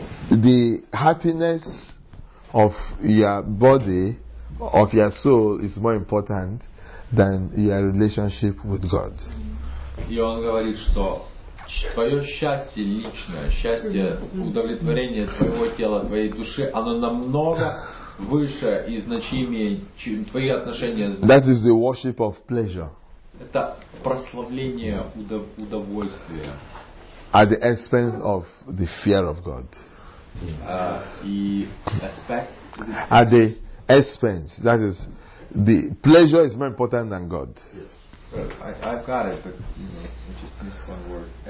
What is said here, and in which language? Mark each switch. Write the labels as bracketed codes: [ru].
[en] The happiness of your body, of your soul, is more important than your relationship with God. [ru] И он говорит, что твое счастье личное, счастье, удовлетворение твоего тела, твоей души, оно намного выше и значимее, чем твои отношения с Богом. [en] That is the worship of pleasure. [ru] Это прославление удовольствия. [en] At the expense of the fear of God. At the expense, that is, the pleasure is more important than God. Yes. I've got it, but I just missed one word.